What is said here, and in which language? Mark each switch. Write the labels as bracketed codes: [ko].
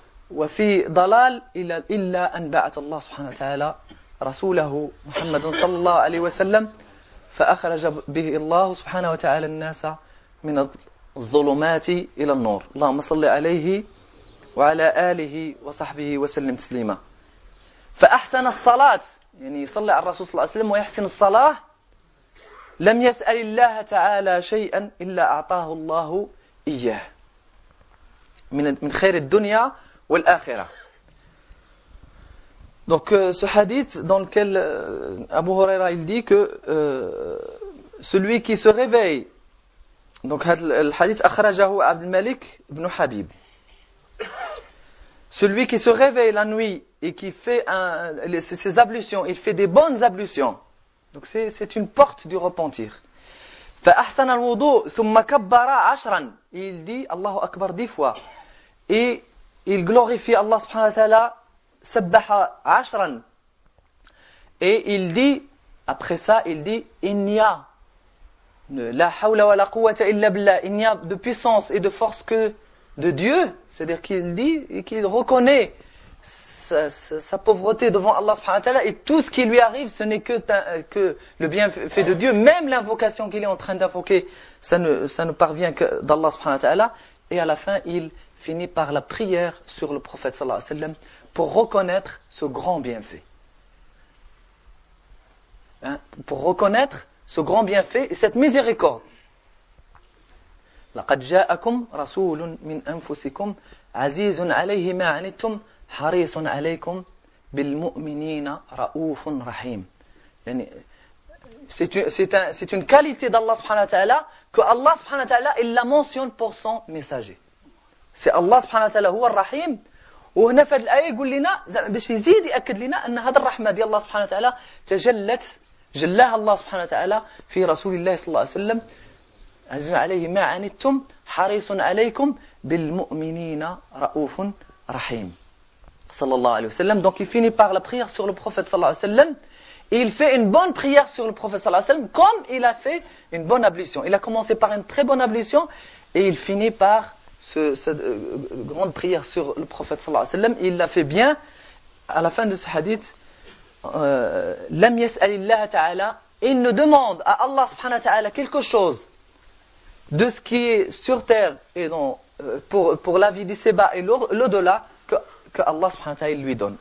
[ar] وفي ضلال إلا أن بعث الله سبحانه وتعالى رسوله محمد صلى الله عليه وسلم فأخرج به الله سبحانه وتعالى الناس من الظلمات إلى النور اللهم صل عليه وعلى آله وصحبه وسلم تسليما فأحسن الصلاة يعني يصلي على الرسول صلى الله عليه وسلم ويحسن الصلاة لم يسأل الله تعالى شيئا إلا أعطاه الله إياه من خير الدنيا والآخرة [fr] Donc ce hadith dans lequel Abu Huraira il dit que celui qui se réveille, donc le hadith akhrajahu Abdul Malik ibn Habib, celui qui se réveille la nuit et qui fait ses ablutions, il fait des bonnes ablutions, donc c'est une porte du repentir. [ar] فأحسن الوضوء ثم كبر عشرا. [fr] Il dit Allahu Akbar 10 fois. Et il glorifie Allah subhanahu wa ta'ala, sabbaha ashran. Et il dit, après ça, il dit, inya, la hawla wa la quwwata illa billah, il n'y a de puissance et de force que de Dieu. C'est-à-dire qu'il dit et qu'il reconnaît sa pauvreté devant Allah subhanahu wa ta'ala, et tout ce qui lui arrive, ce n'est que le bienfait de Dieu. Même l'invocation qu'il est en train d'invoquer, ça ne parvient que d'Allah subhanahu wa ta'ala. Et à la fin, il finit par la prière sur le prophète sallallahu alayhi wa sallam pour reconnaître ce grand bienfait. Hein? Pour reconnaître ce grand bienfait et cette miséricorde. [ar] لقد جاءكم رسول من أنفسكم عزيز عليه ما عنتم حريص عليكم بالمؤمنين رؤوف رحيم. [fr] C'est une qualité d'Allah subhanahu wa ta'ala que Allah subhanahu wa ta'ala il la mentionne pour son messager. C'est Allah subhanahu wa ta'ala [ar] هو الرحيم. وهنا في هذه الآية يقول لنا باش يزيد يأكد لنا أن هذا الرحمة ديال الله سبحانه وتعالى جلاها الله سبحانه وتعالى في رسول الله صلى الله عليه وسلم. عز عليه ما عنتم حريص عليكم بالمؤمنين رؤوف رحيم صلى الله عليه وسلم. [fr] Donc il finit par la prière sur le prophète صلى الله عليه وسلم, et il fait une bonne prière sur le prophète صلى الله عليه وسلم comme il a fait une bonne ablution. Il a commencé par une très bonne ablution et il finit par cette grande prière sur le prophète sallallahu alayhi wa sallam. Il l'a fait bien. À la fin de ce hadith, lam yas'alillah ta'ala, il ne demande à Allah subhanahu wa ta'ala quelque chose de ce qui est sur terre et dans pour la vie d'ici-bas et l'au-delà que Allah subhanahu wa ta'ala lui donne.